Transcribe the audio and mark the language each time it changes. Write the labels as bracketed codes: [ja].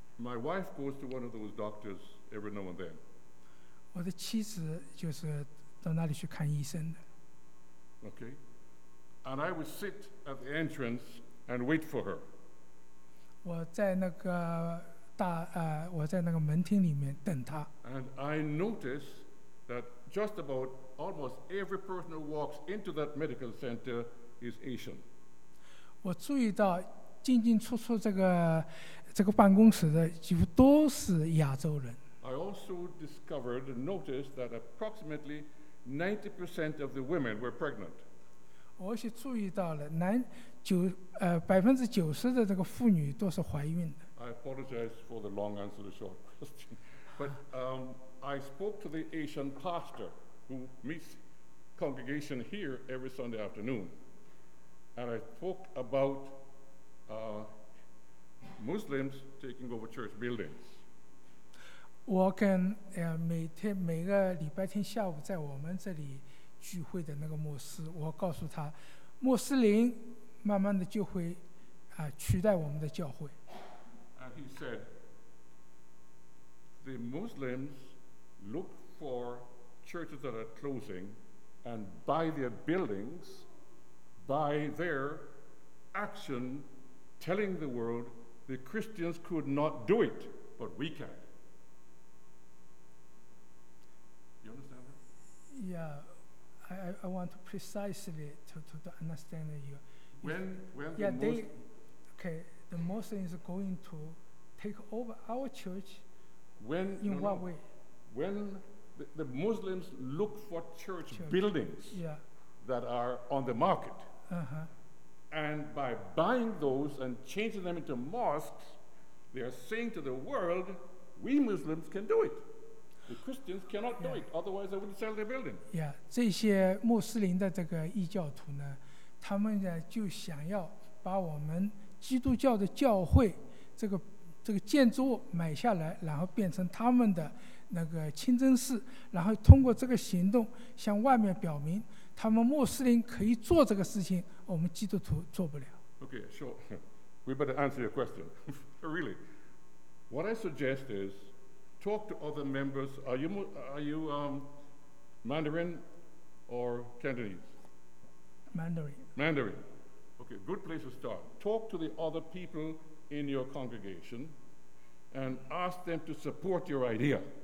[en] My wife goes to one of those doctors every now and then. [zh] 我的妻子就是到那里去看医生的。 [en] Okay. And I would sit at the entrance and wait for her. [zh] 我在那个大我在那个门厅里面等她。 [en] And I notice that just about almost every person who walks into that medical center is Asian. [zh] 我注意到进进出出这个办公室的几乎都是亚洲人。 [en] I also discovered and noticed that approximately 90% of the women were pregnant. [zh] 我也注意到了男九90%的这个妇女都是怀孕的。 [en] I apologize for the long answer to the short question, but I spoke to the Asian pastor who meets congregation here every Sunday afternoon, and I spoke about Muslims taking over church buildings. [zh] 我跟每个礼拜天下午在我们这里。聚会的那个牧师，我告诉他，穆斯林慢慢的就会取代我们的教会。 [en] And he said, the Muslims look for churches that are closing and buy their buildings by their action telling the world the Christians could not do it, but we can. You understand that? Yeah. I want to precisely to understand you. The Muslims are going to take over our church. When, in what way? When the Muslims look for church buildings that are on the market, and by buying those and changing them into mosques, They are saying to the world, we Muslims can do it. The Christians cannot do it, otherwise they wouldn't sell their building. [zh] Yeah, 这些穆斯林的这个异教徒呢，他们呢就想要把我们基督教的教会这个建筑物买下来，然后变成他们的那个清真寺，然后通过这个行动向外面表明，他们穆斯林可以做这个事情，我们基督徒做不了。 [en] Okay, sure. We better answer your question. Really, what I suggest is talk to other members. Are you Mandarin or Cantonese? Mandarin. Okay, good place to start. Talk to the other people in your congregation and ask them to support your idea.